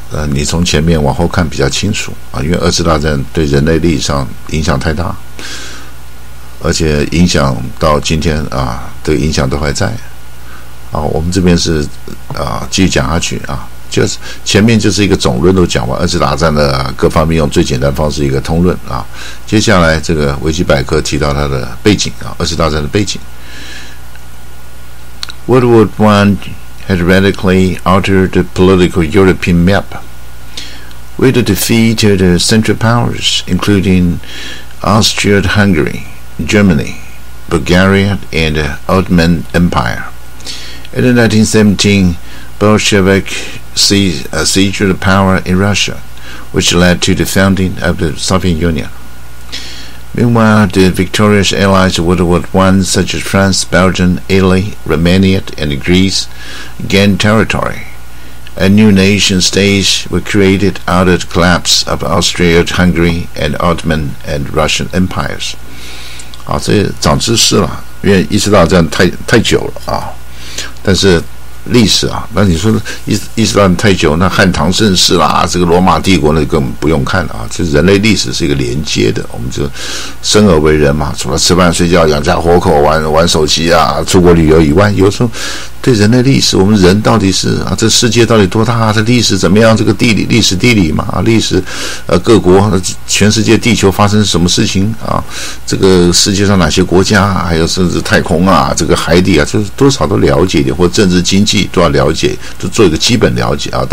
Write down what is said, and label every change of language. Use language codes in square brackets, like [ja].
[zh] 你从前面往后看比较清楚啊，因为二次大战对人类历史上影响太大，而且影响到今天啊，这个影响都还在啊。我们这边是啊，继续讲下去啊。就是前面就是一个总论都讲完，二次大战的各方面用最简单方式一个通论啊。接下来这个维基百科提到它的背景啊，二次大战的背景。 [en] World War One had radically altered the political European map. With the defeat of the Central Powers, including Austria-Hungary, Germany, Bulgaria, and the Ottoman Empire, in 1917, Bolshevik seizure of power in Russia, which led to the founding of the Soviet Union. Meanwhile, the victorious allies of World War I, such as France, Belgium, Italy, Romania, and Greece, gained territory. A new nation state was created out of the collapse of Austria-Hungary and Ottoman and Russian empires. [zh] 好，这长知识了，因为一次大战太久了啊，但是历史啊，那你说伊斯兰太久，那汉唐盛世啦，这个罗马帝国那更不用看了啊。就是人类历史是一个连接的，我们就生而为人嘛，除了吃饭睡觉养家活口，玩手机啊，出国旅游以外，有时候对人类历史，我们人到底是啊，这世界到底多大啊，这历史怎么样，这个地理历史地理嘛啊，历史各国全世界地球发生什么事情啊，这个世界上哪些国家，还有甚至太空啊，这个海底啊，就是多少都了解一点，或政治经济都要了解，都做一个基本了解啊。